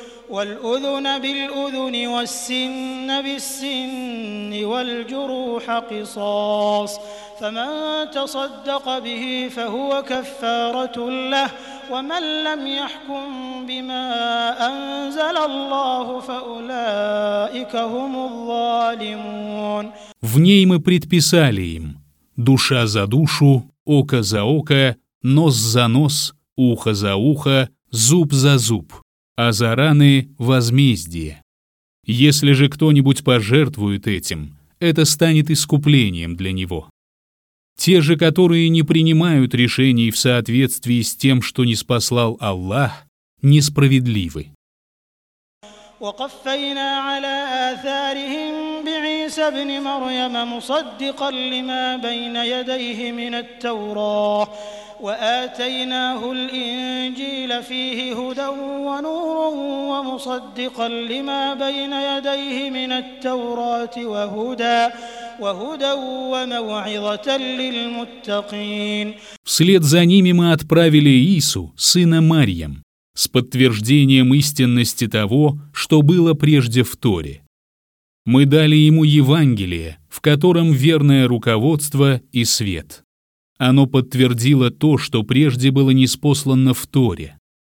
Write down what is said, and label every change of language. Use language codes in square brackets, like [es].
[ar] والأذن بالأذن والسن بالسن والجروح قصاص فمن تصدق به فهو كفارة له ومن لم يحكم بما أنزل الله فأولئك هم الظالمون. [ru] В ней мы предписали им: душа за душу, око за око, нос за нос, ухо за ухо, зуб за зуб, а за раны – возмездие. Если же кто-нибудь пожертвует этим, это станет искуплением для него. Те же, которые не принимают решений в соответствии с тем, что ниспослал Аллах, несправедливы. [ar] وقفينا على آثارهم بعيسى ابن مريم مصدقا لما بين يديه من التوراة وآتيناه الإنجيل فيه هدى ونور ومصدقا لما بين يديه من التوراة وهدى وموعظة للمتقين. [ru] Вслед за ними мы отправили Иису, сына Марьям, с подтверждением истинности того, что было прежде в Торе. Мы дали ему Евангелие, в котором верное руководство и свет. Оно подтвердило то, что прежде было ниспослано в Торе.